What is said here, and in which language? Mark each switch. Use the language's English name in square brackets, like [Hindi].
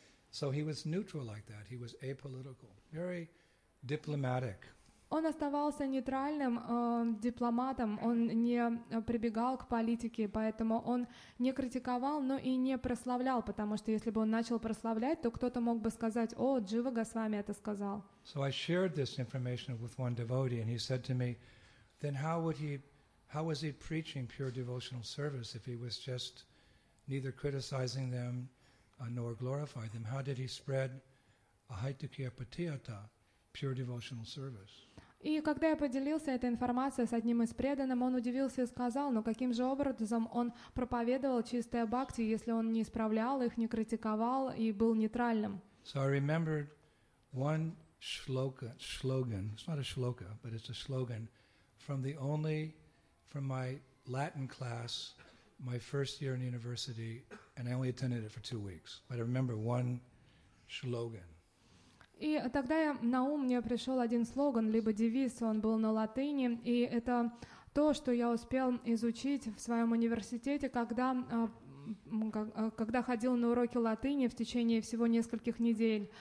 [English] So he was neutral like that. He was apolitical, very diplomatic. [Russian] Он оставался нейтральным дипломатом, он не прибегал к политике, поэтому он не критиковал, но и не прославлял, потому что если бы он начал прославлять, то кто-то мог бы сказать: «О, Джива Госвами это сказал». [English] So I shared this information with one devotee, and he said to me, then how was he preaching pure devotional service if he was just neither criticizing them nor glorifying them? How did he spread ahaitukya patiyata, pure devotional service? [Russian] И когда я поделился этой информацией с одним из преданных, он удивился и сказал: «Но каким же образом он проповедовал чистое бхакти, если он не исправлял их, не критиковал и был нейтральным?» [English] So I remembered one slogan. It's not a shloka, but it's a slogan from my Latin class, my first year in university, and I only attended it for 2 weeks. But I remember one slogan. [Russian] И тогда на ум мне пришел один слоган, либо девиз, он был на латыни, и это то, что я успел изучить в своем университете, когда ходил на уроки латыни в течение всего нескольких недель.